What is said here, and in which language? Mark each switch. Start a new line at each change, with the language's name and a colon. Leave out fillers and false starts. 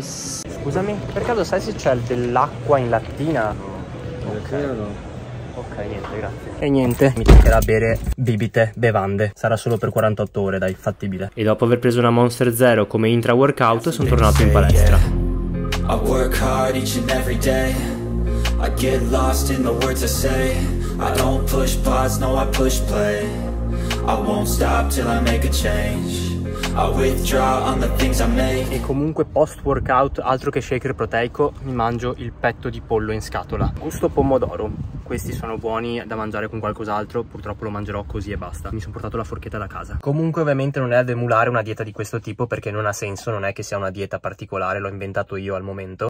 Italian: Scusami, per caso sai se c'è dell'acqua in lattina? No, okay. No. Ok, niente, grazie. E niente, mi toccherà bere bibite, bevande. Sarà solo per 48 ore, dai, fattibile. E dopo aver preso una Monster Zero come intra workout, sono tornato in palestra.
English: I work hard each and every day. I get lost in the words I say. I don't push pods, no, I push play. I won't stop till I make a change. I withdraw on the things I make.
Italian: E comunque post workout, altro che shaker proteico, mi mangio il petto di pollo in scatola. Gusto pomodoro. Questi sono buoni da mangiare con qualcos'altro, purtroppo lo mangerò così e basta. Mi sono portato la forchetta da casa. Comunque ovviamente non è ad emulare una dieta di questo tipo, perché non ha senso, non è che sia una dieta particolare, l'ho inventato io al momento.